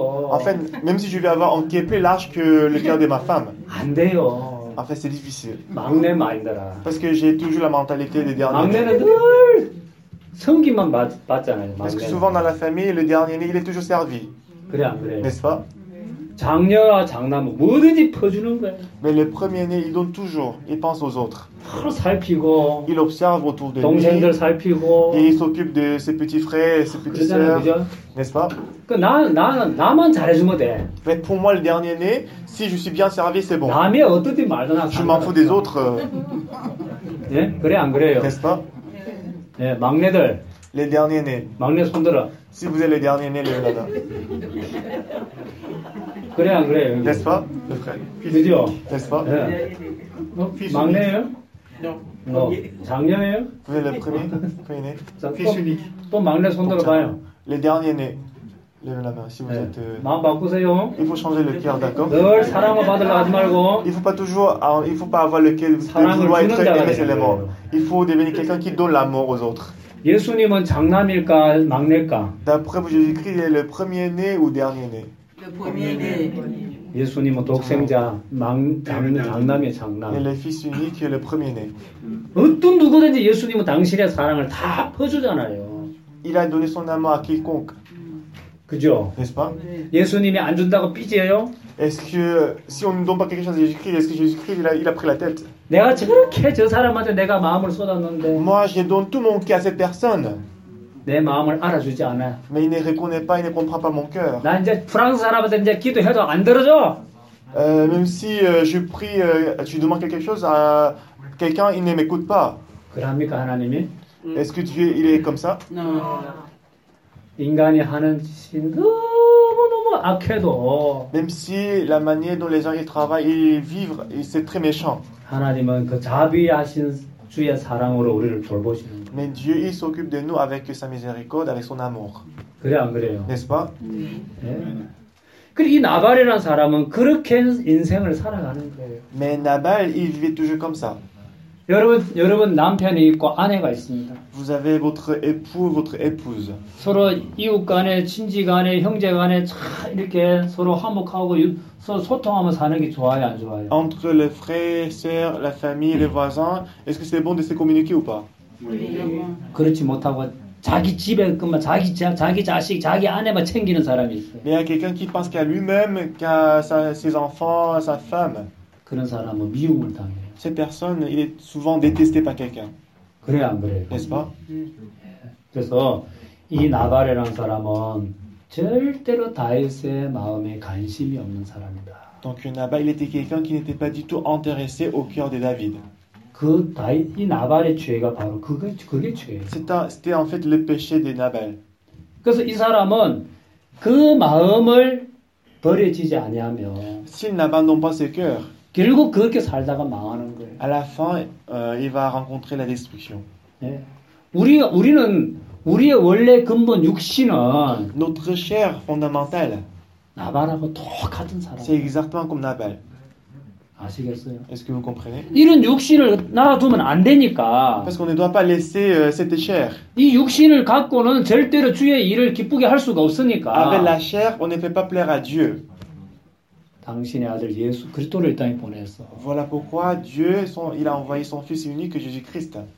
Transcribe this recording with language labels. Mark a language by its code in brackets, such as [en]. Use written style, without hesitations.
[fr] En fait, même si je vais avoir un cœur plus large que le cœur de ma femme. En fait, c'est difficile. Parce que j'ai toujours la mentalité des derniers. [ko] 성기만 받잖아요. [fr] Parce que souvent dans la famille, le dernier né, il est toujours servi. [ko] 그래 안 그래? [fr] N'est-ce pas? [ko] 장녀와 장남은 뭐든지 퍼주는 거야. [fr] Mais le premier né, il donne toujours. Il pense aux autres. [ko] 서로 살피고. [fr] Il observe autour de lui. [ko] 동생들 살피고. [fr] Et il s'occupe de ses petits frères, ses petites sœurs. N'est-ce pas? [ko] 그 나만 잘해주면 돼. [fr] Mais pour moi, le dernier né, si je suis bien servi, c'est bon. [ko] 남이 어떻게 말든 상관. [fr] Je m'en fous des autres. [ko] 예? 그래 안 그래요? [fr] N'est-ce pas? [ko] 네, 막내들. [fr] Les derniers nés. [ko] 막내 손들어. [fr] Si vous êtes les derniers nés, levez la main. [ko] 그래 안 그래요? [fr] N'est-ce pas, le frère? [ko] 드디어. [fr] N'est-ce pas? [ko] 네. 막내예요? [fr] Non. [ko] 너 장녀예요? [fr] Vous êtes le premier né. Fils unique. [ko] 또 막내 손들어 봐요. [fr] Les derniers nés. Levez la main si vous êtes. [ko] 마음 바꾸세요. [fr] Il faut changer le cœur, d'accord? [ko] 늘 사랑을 받으려 하지 말고. [fr] Il faut pas toujours, il faut pas avoir le cœur de vouloir être aimé seulement. Il faut devenir quelqu'un qui donne l'amour aux autres. [ko] 예수님은 장남일까 막내일까? [fr] D'après vous, Jésus-Christ est le premier né ou dernier né? Le premier né. [ko] 예수님은 독생자, 장남이 장남. [fr] Il est fils unique et le premier né. [ko] 어떤 누구든지 예수님은 당신의 사랑을 다 퍼주잖아요. [fr] Il a donné son amour à quiconque. [ko] 그죠? [fr] N'est-ce pas? [ko] 예수님이 안 준다고 삐지어요? [fr] Est-ce que si on ne donne pas quelque chose à Jésus-Christ, est-ce que Jésus-Christ il a pris la tête? [ko] 내가 저렇게 저 사람한테 내가 마음을 쏟았는데. [fr] Moi, je donne tout mon cœur à cette personne. [ko] 내 마음을 알아주지 않아. [fr] Mais il ne reconnaît pas, il ne comprend pas mon cœur. [ko] 나 이제 프랑스 사람한테 이제 기도해도 안 들어줘. [fr] Même si je prie, tu demandes quelque chose à quelqu'un, il ne m'écoute pas. [ko] 그럼이까 하나님이? [fr] Est-ce que Dieu il est comme ça? Non. [ko] 인간이 하는 짓이 너무너무 악해도. [fr] Même si la manière dont les gens ils travaillent, ils vivent, c'est très méchant. [ko] 하나님은 그 자비하신 주의 사랑으로 우리를 돌보시는. [fr] Mais Dieu il s'occupe de nous avec sa miséricorde, avec son amour. [ko] 그래 안 그래요? [fr] N'est-ce pas? [ko] 그리고 이 나발이라는 사람은 그렇게 인생을 살아가는 거예요. [fr] Mais Nabal il vit toujours comme ça. [ko] 여러분 남편이 있고 아내가 있습니다. [fr] Vous avez votre époux, votre épouse. [ko] 서로 이웃 간에, 친지 간에, 형제 간에 참 이렇게 서로 화목하고 서로 소통하면 사는 게 좋아요, 안 좋아요? [fr] Entre les frères, sœurs, la famille, les voisins, est-ce que c'est bon de se communiquer ou pas? Oui. [ko] 그렇지 못하고 자기 집에 그만 자기 자식, 자기 아내만 챙기는 사람이 있어요. [fr] Mais il y a quelqu'un qui pense qu'à lui-même, qu'à ses enfants, sa femme. [ko] 그런 사람은 미움을 당해. [fr] Cette personne, il est souvent détesté par quelqu'un. [ko] 그래 안 그래? [fr] N'est-ce pas? [ko] 그래서 이 나발이라는 사람은 절대로 다윗의 마음에 관심이 없는 사람이다. [fr] Donc Nabal il était quelqu'un qui n'était pas du tout intéressé au cœur de David. [ko] 그 다윗 이 나발의 죄가 바로 그게 죄예요. [fr] C'était en fait le péché de Nabal. [ko] 그래서 이 사람은 그 마음을 버려지지 아니하면 [fr] s'il n'abandonne pas ce cœur. [ko] 결국 그렇게 살다가 망하는 거예요. [fr] À la fin, il va rencontrer la destruction. [ko] 예. 우리는 우리의 원래 근본 육신은 [fr] notre chair fondamentale [ko] 나발하고 똑같은 사람. [fr] C'est exactement comme Nabal. [ko] 아시겠어요? [fr] Est-ce que vous comprenez? [ko] 이런 육신을 놔두면 안 되니까. [fr] Parce qu'on ne doit pas laisser cette chair. [ko] 이 육신을 갖고는 절대로 주의 일을 기쁘게 할 수가 없으니까. [fr] Avec la chair, on ne peut pas plaire à Dieu. [ko] 당신의 아들 예수 그리스도를 땅에 보내서. [fr] Voilà pourquoi Dieu il a envoyé son fils unique Jésus-Christ.